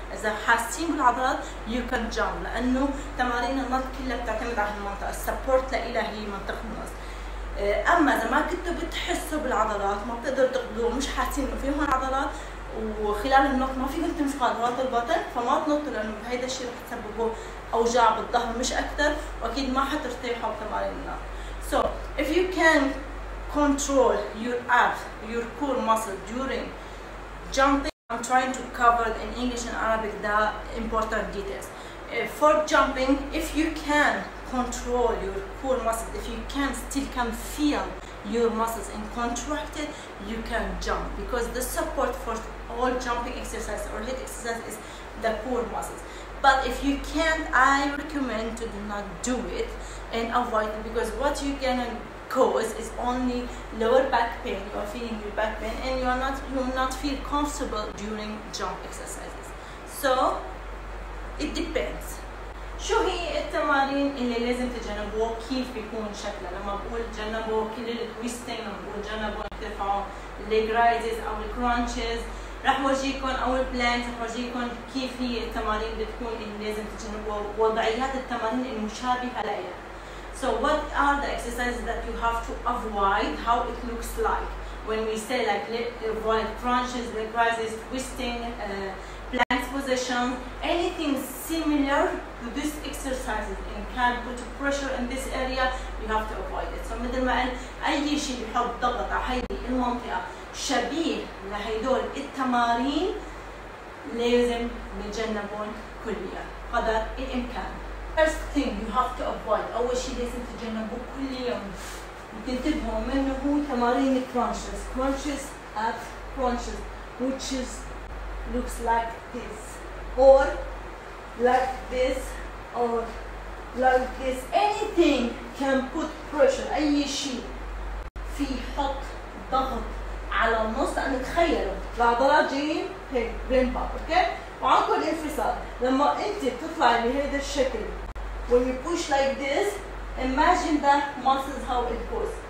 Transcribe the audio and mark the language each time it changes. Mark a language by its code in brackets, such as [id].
[ar] اذا حاسين بالعضلات يو كان جامب، لانه تمارين النط كلها بتعتمد على المنطقه، السبورت لها هي منطقه النص. اما اذا ما كنتوا بتحسوا بالعضلات، ما بتقدروا تقبضوها، مش حاسين انه فيهم عضلات، وخلال النط ما فيكم تنفخوا عضلات البطن، فما تنطوا لانه هيدا الشيء رح تسببوا اوجاع بالظهر مش اكثر، واكيد ما حترتاحوا بتمارين النط. [en] So if you can control your abs, your core muscle during jumping, I'm trying to cover in English and Arabic the important details. For jumping, if you can control your core muscles, if you can still can feel your muscles and contracted, you can jump. Because the support for all jumping exercise or hit exercise is the core muscles. But if you can't, I recommend to do not do it and avoid it, because what you can cause is only lower back pain. You are feeling your back pain and you will not feel comfortable during jump exercises. So it depends. [ar] شو هي التمارين اللي لازم تتجنبوا؟ كيف بيكون شكلها؟ لما بقول تجنبوا كل التويستينج، لما بقول تجنبوا ترفعوا الليج رايزز او الكرانشز، رح ورجيكم او البلانز، رح ورجيكم كيف هي التمارين اللي بتكون اللي لازم تتجنبوها، وضعيات التمارين المشابهه لها. [en] So what are the exercises that you have to avoid, how it looks like when we say like avoid crunches, leg raises, twisting, plank position, anything similar to this exercises and can put pressure in this area, you have to avoid it. So [ar] مثل ما قال اي شيء بحط ضغط على هيدي المنطقه شبيه لهيدول التمارين لازم نتجنبهم كليا قدر الامكان. [en] First thing you have to avoid، [ar] اول شيء لازم تتجنبه كل يوم وتنتبهوا منه، هو تمارين crunches. [en] Crunches at crunches which is looks like this or like this or like this. Anything can put pressure، [ar] اي شيء في حط ضغط على النص، لانه تخيلوا العضلات جايين هيك بين بعض، اوكي؟ وعندكم انفصال، لما انت بتطلعي بهذا الشكل [en] when you push like this imagine the muscles how it goes.